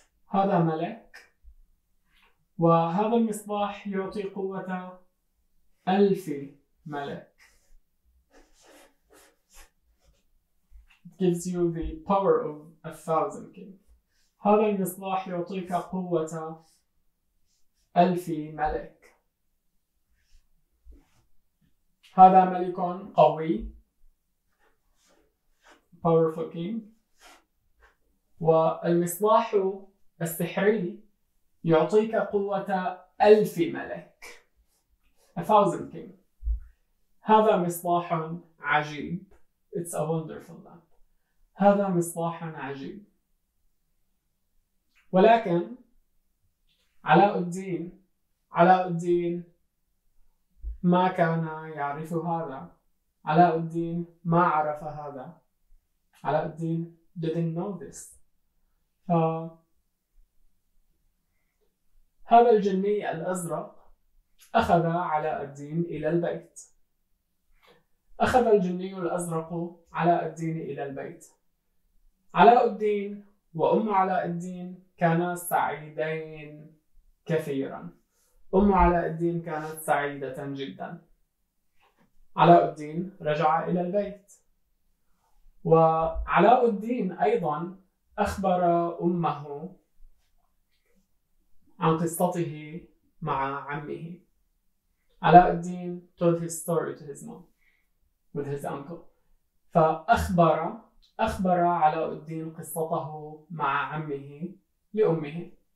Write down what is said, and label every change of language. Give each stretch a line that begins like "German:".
Arabic: هذا ملك. وهذا المصباح يعطي قوة ألف ملك.
English: It gives you the power of a thousand king.
Arabic: هذا المصباح يعطيك قوة ألف ملك. هذا ملك قوي.
English: Powerful king.
Arabic: والمصباح السحري يعطيك قوة ألف ملك.
English: A thousand king.
Arabic: هذا مصباح عجيب.
English: It's a wonderful lamp.
Arabic: هذا مصباح عجيب. ولكن علاء الدين ما كان يعرف هذا. علاء الدين ما عرف هذا.
English: علاء الدين didn't know this.
Arabic: هذا الجني الأزرق أخذ علاء الدين إلى البيت. أخذ الجني الأزرق علاء الدين إلى البيت. علاء الدين وأم علاء الدين كانا سعيدين كثيرا. أم علاء الدين كانت سعيدة جدا. علاء الدين رجع إلى البيت. وعلاء الدين أيضا أخبر أمه عن قصته مع عمه.
English: علاء الدين told his story to his mom with his uncle.
Arabic: فأخبر علاء الدين قصته مع عمه لأمه.